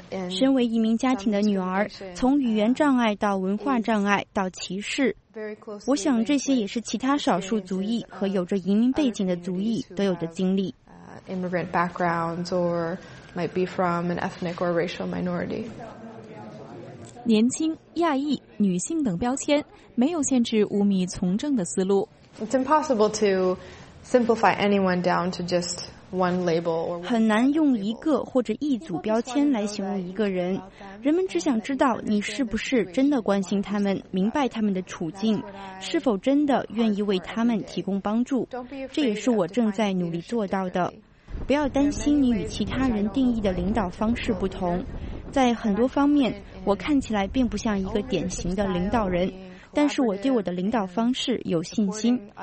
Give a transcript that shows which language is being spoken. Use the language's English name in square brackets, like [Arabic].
[Chinese] 身为移民家庭的女儿，从语言障碍到文化障碍到歧视，我想这些也是其他少数族裔和有着移民背景的族裔都有的经历。 [English] Immigrant backgrounds or might be from an ethnic or racial minority. [Chinese] 年轻、亚裔、女性等标签没有限制吴米从政的思路。 [English] It's impossible to simplify anyone down to just. [Chinese] 很难用一个或者一组标签来形容一个人，人们只想知道你是不是真的关心他们，明白他们的处境，是否真的愿意为他们提供帮助。这也是我正在努力做到的。不要担心你与其他人定义的领导方式不同，在很多方面我看起来并不像一个典型的领导人，但是我对我的领导方式有信心。